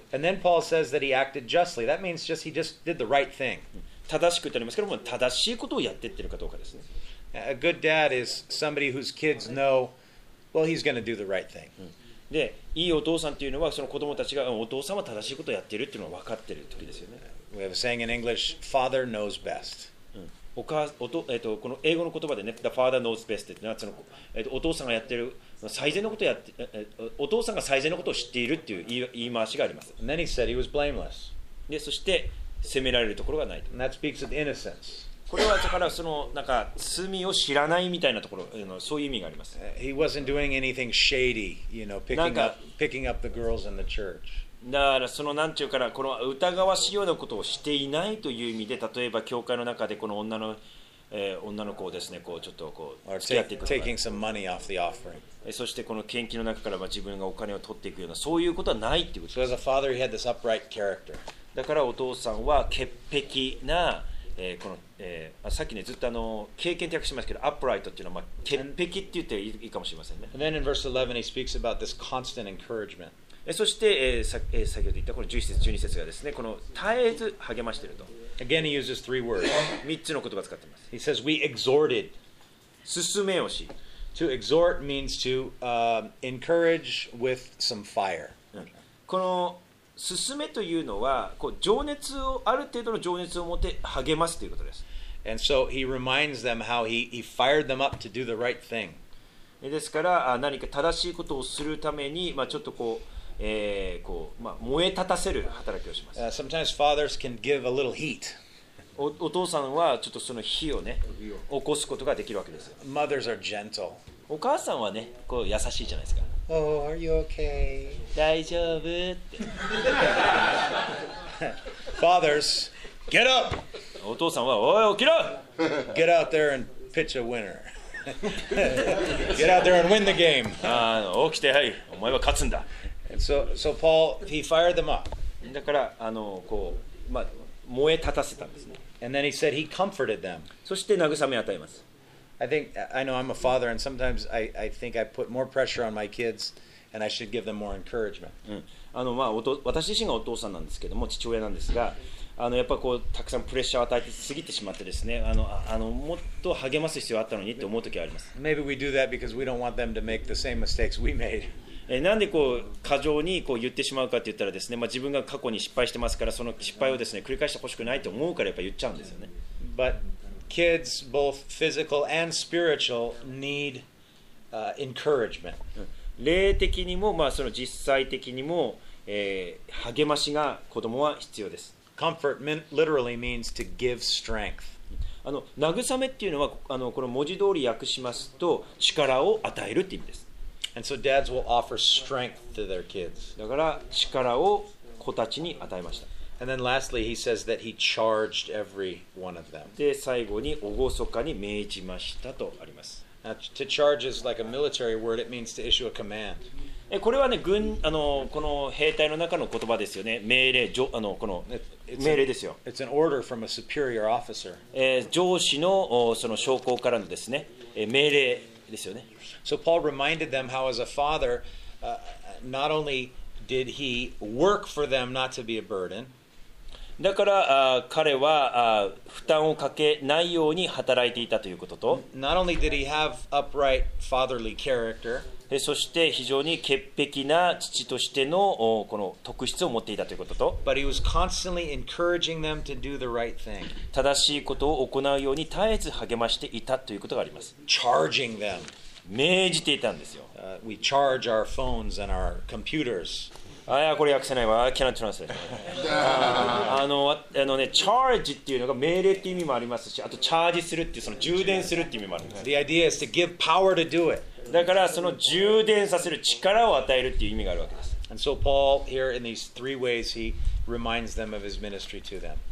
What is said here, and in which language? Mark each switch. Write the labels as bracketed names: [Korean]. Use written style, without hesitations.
[English] And then Paul says that he acted justly. That means just he just did the right thing. [Japanese] 正しくってありますけども、正しいことをやってってるかどうかですね。 [English] A good dad is somebody whose kids know, well, he's going to do the right thing. [Japanese] で、いいお父さんというのは、その子供たちが、お父さんは正しいことをやってるっていうのは分かってる時ですよね。 [English] We have a saying in English, father knows best. [Japanese] この英語の言葉でね、 [English] the father knows best [Japanese] ってのは、お父さんがやってる、最善のことをやって、お父さんが最善のことを知っているっていう言い回しがあります。 [English] And then he said he was blameless. [Japanese] で、そして責められるところがないと。 [English] And that speaks of innocence. [Japanese] これはだからそのなんか罪を知らないみたいなところ、そういう意味があります。 [English] He wasn't doing anything shady, you know, picking up the girls in the church. [Japanese] だからそのなんていうかな、この疑わしいようなことをしていないという意味で、例えば教会の中でこの女の子をですね、こうちょっとこう付き合っていくとか、 [English] taking some money off the offering。 [Japanese] そしてこの献金の中からま自分がお金を取っていくようなそういうことはないっていうことです。 [English] So as a father, he had this upright character. [Japanese] だからお父さんは潔癖な、この、さっきねずっとあの経験って訳しますけど、upright っていうのはま潔癖って言っていいかもしれませんね。 [English] And then in verse 11, he speaks about this constant encouragement. [Japanese] そして、先ほど言ったこの11節12節がですね、この絶えず励ましていると。 [English] Again, he uses three words. [Japanese] 三つの言葉を使っています。 [English] He says, "We exhorted." [Japanese] 勧めをし。 [English] To exhort means to encourage with some fire. [Japanese] この勧めというのはこう情熱をある程度の情熱を持って励ますということです。 [English] And so he reminds them how he fired them up to do the right thing. [Japanese] ですから何か正しいことをするためにまあちょっとこう。燃え立たせる働きをします。 [English] Sometimes fathers can give a little heat. [Japanese] お父さんはちょっとその火をね起こすことができるわけですよ。 [English] Mothers are gentle. [Japanese] お母さんはねこう優しいじゃないですか。 [English] Oh, are you okay? [Japanese] 大丈夫って。 [English] Fathers, get up! [Japanese] お父さんはおい起きろ。 [English] Get out there and pitch a winner. Get out there and win the game. [Japanese] 起きてはい、お前は勝つんだ。 [English] So Paul, he fired them up. [Japanese] だからこう、燃え立たせたんですね。 [English] And then he said he comforted them. [Japanese] そして慰め与えます。 [English] I think, I know I'm a father and sometimes I think I put more pressure on my kids and I should give them more encouragement. [Japanese] 私自身がお父さんなんですけども、父親なんですが、やっぱこうたくさんプレッシャーを与えて過ぎてしまってですね、もっと励ます必要あったのにって思う時はあります。 [English] Maybe we do that because we don't want them to make the same mistakes we made. [Japanese] なんでこう過剰にこう言ってしまうかって言ったらですね、自分が過去に失敗してますから、その失敗をですね繰り返してほしくないと思うからやっぱ言っちゃうんですよね。 [English] But kids, both physical and spiritual, need encouragement. [Japanese] 霊的にも、その実際的にも、励ましが子供は必要です。 [English] Comfort literally means to give strength. [Japanese] あの慰めっていうのはあのこの文字通り訳しますと力を与えるって意味です。 [English] And so dads will offer strength to their kids. [Japanese] だから力を子たちに与えました。 [English] And then lastly, he says that he charged every one of them. [Japanese] で最後におごそかに命じましたとあります。 [English] Now, to charge is like a military word. It means to issue a command. [Japanese] これはね、軍あのこの兵隊の中の言葉ですよね。命令、上あのこの命令ですよ。 [English] It's an order from a superior officer. [Japanese] 上司のその将校からのですね、命令ですよね。 [English] So Paul reminded them how as a father, not onlyDid he work for them not to be a burden? [Japanese] だから彼は負担をかけないように働いていたということと、 [English] not only did he have upright fatherly character, [Japanese] そして非常に潔癖な父としてのこの特質を持っていたということと、 [English] but he was constantly encouraging them to do the right thing. [Japanese] 正しいことを行うように絶えず励ましていたということがあります。 [English] Charging them. [Japanese] 命じていたんですよ。 [English] We charge our phones and our computers. [Japanese] あ、いや、これ訳せないわ。 [English] I cannot translate. [Japanese] あのね、charge っていうのが命令って意味もありますし、あとチャージするっていうその充電するって意味もあるんです。 [English] The idea is to give power to do it. [Japanese] だからその充電させる力を与えるっていう意味があるわけです。 [English] And so Paul here in these three ways he reminds them of his ministry to them.